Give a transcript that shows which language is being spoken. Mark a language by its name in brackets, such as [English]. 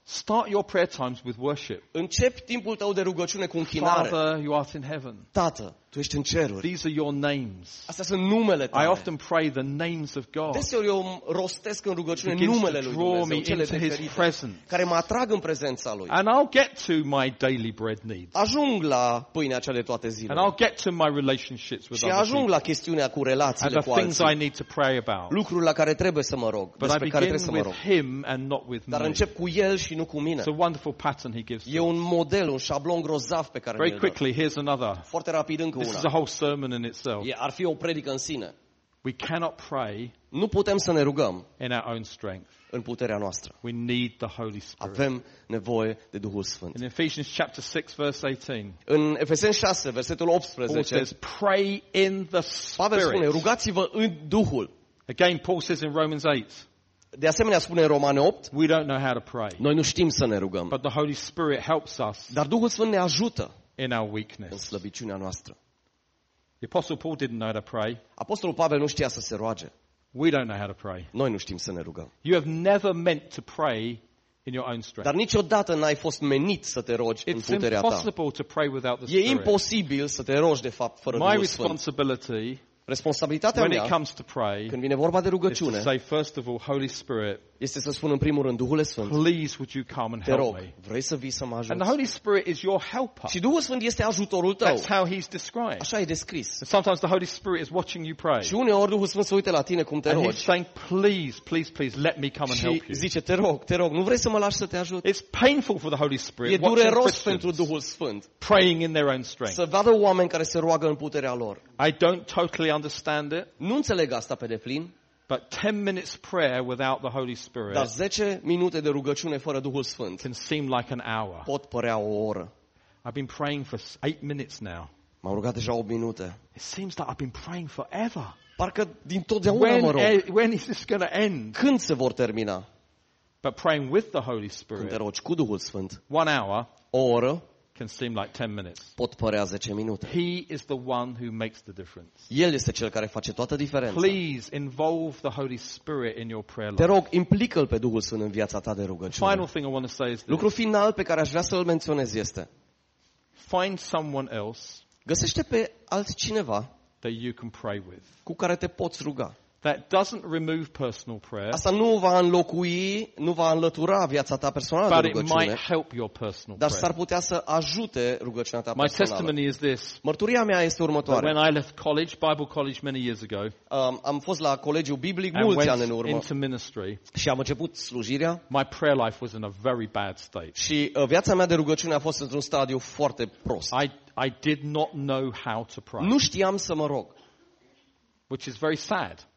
[English] Start your prayer times with worship. [Romanian] Începi timpul tău de rugăciune cu închinare. [English] Father, you art in heaven. [Romanian] Tată, tu ești în ceruri. [English] These are your names. [Romanian] Astea sunt numele tale. [English] I often pray the names of God. [Romanian] Deseori eu rostesc în rugăciune numele lui Dumnezeu, cele [English] into his presence. [Romanian] Care mă atrag în prezența lui. [English] And I'll get to my daily bread needs. [Romanian] Ajung la pâinea cea de toate zilele. [English] And I'll get to my relationships with others. [Romanian] Și ajung la chestiunea cu relațiile cu alții. [English] And the things I need to pray about. [Romanian] Lucrurile la care trebuie să mă rog, [English] but [Romanian] despre care trebuie să mă rog. [English] With him and not with [Romanian] Dar [English] me. [Romanian] Încep cu el și nu cu mine. [English] It's a wonderful pattern he gives. [Romanian] E un model, un șablon grozav pe care îl dă. [English] Very quickly, here's another. [Romanian] Foarte rapid. [English] This is a whole sermon in itself. [Romanian] Yeah, ar fi o predică în sine. [English] We cannot pray. [Romanian] Nu putem să ne rugăm [English] in our own strength. [Romanian] În puterea noastră. [English] We need the Holy Spirit. [Romanian] Avem nevoie de Duhul Sfânt. [English] In Ephesians chapter 6 verse 18. [Romanian] În Efeseni 6 versetul 18. [English] Paul says, pray in the Spirit. [Romanian] Pavel spune, rugați-vă în Duhul. [English] Again, Paul says in Romans 8. [Romanian] De asemenea spune în Romani 8. [English] We don't know how to pray. [Romanian] Noi nu știm să ne rugăm. [English] But the Holy Spirit helps us. [Romanian] Dar Duhul Sfânt ne ajută. [English] In our weakness. [Romanian] În slăbiciunea noastră. [English] The Apostle Paul didn't know how to pray. [Romanian] Apostolul Pavel nu știa să se roage. [English] We don't know how to pray. [Romanian] Noi nu știm să ne rugăm. [English] You have never meant to pray in your own strength. [Romanian] Dar niciodată n-ai fost menit să te rogi [English] It's [Romanian] în puterea ta. [English] It's impossible to pray without the [Romanian] e [English] Spirit. [Romanian] E imposibil să te rogi de fapt fără [English] My [Romanian] Duhul [English] responsibility [Romanian] Sfânt. Responsabilitatea [English] when [Romanian] mea [English] it comes to pray [Romanian] când vine vorba de rugăciune [English] is to say, first of all, Holy Spirit, [Romanian] este să spun în primul rând, Duhule Sfânt, [English] please would you come and help me. [Romanian] Vrei să vii să mă ajuți. [English] And the Holy Spirit is your helper. [Romanian] Și Duhul Sfânt este ajutorul tău. [English] That's how he's described. [Romanian] Așa e descris. [English] Sometimes the Holy Spirit is watching you pray. [Romanian] Și uneori Duhul Sfânt se uită la tine cum te rogi. [English] And he's saying, please, please, please, let me come and help you. [Romanian] Și zice, te rog, nu vrei să mă lași să te ajut? [English] It's painful for the Holy Spirit. [Romanian] E dureros pentru Duhul Sfânt. [English] Praying in their own strength. [Romanian] Să vadă oameni care se roagă în puterea lor. [English] I don't totally understand it. [Romanian] Nu înțeleg asta pe deplin. [English] But 10 minutes prayer without the Holy Spirit. [Romanian] Dar 10 minute de rugăciune fără Duhul Sfânt. [English] Can seem like an hour. [Romanian] Pot părea o oră. [English] I've been praying for 8 minutes now. [Romanian] M-am rugat deja 8 minute. [English] It seems like I've been praying forever. [Romanian] Parcă din totdeauna, mă rog. [English] When is this going to end? [Romanian] Când se vor termina? [English] But praying with the Holy Spirit. [Romanian] Când te rogi cu Duhul Sfânt. [English] 1 hour. [Romanian] O oră. [English] Can seem like 10 minutes. [Romanian] Pot părea 10 minute. [English] He is the one who makes the difference. [Romanian] El este cel care face toată diferența. [English] Please involve the Holy Spirit in your prayer life. [Romanian] Te rog, implică-l pe Duhul Sfânt în viața ta de rugăciune. [English] Final thing I want to say is this. [Romanian] Lucru final pe care aș vrea să-l menționez este. [English] Find someone else. [Romanian] Găsește pe altcineva. [English] That you can pray with. [Romanian] Cu care te poți ruga. [English] That doesn't remove personal prayer. [Romanian] Asta nu va înlocui, nu va înlătura viața ta personală de rugăciune. [English] But it might help your personal prayer. [Romanian] Dar s-ar putea să ajute rugăciunea ta personală. [English] My testimony is this. [Romanian] Mărturia mea este următoarea. [English] When I left college, Bible college many years ago. [Romanian] Am fost la colegiul biblic mulți ani în urmă. [English] Into ministry. [Romanian] Și am început slujirea. [English] My prayer life was in a very bad state. [Romanian] Și viața mea de rugăciune a fost într-un stadiu foarte prost. [English] I did not know how to pray. [Romanian] Nu știam să mă rog. [English] Which is very sad.